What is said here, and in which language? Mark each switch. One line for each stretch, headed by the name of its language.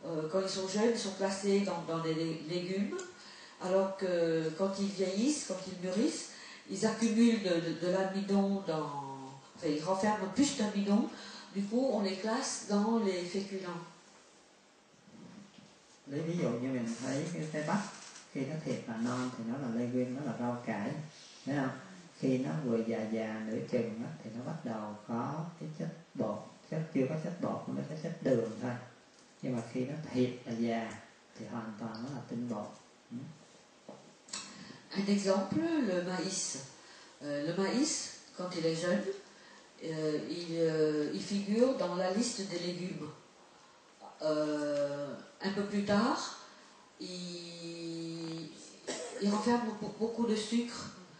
French: Quand ils sont jeunes, ils sont classés dans les légumes. Alors que quand ils vieillissent, quand ils mûrissent, ils accumulent de l'amidon ils renferment plus d'amidon. Du coup, on les classe dans les féculents.
Vietnamese: Lấy ví dụ như mình thấy cái trái bắp, khi nó thiệt là non thì nó là legume, nó là rau cải, thấy không? Khi nó vừa già già nửa chừng đó, thì nó bắt đầu có cái chất bột, chưa có chất bột, nó có chất đường thôi. Nhưng mà khi nó thiệt là già thì hoàn toàn nó là tinh bột.
French: Un exemple, le maïs. Le maïs, quand il est jeune, il figure dans la liste des légumes. Un peu plus tard, il renferme beaucoup de sucre.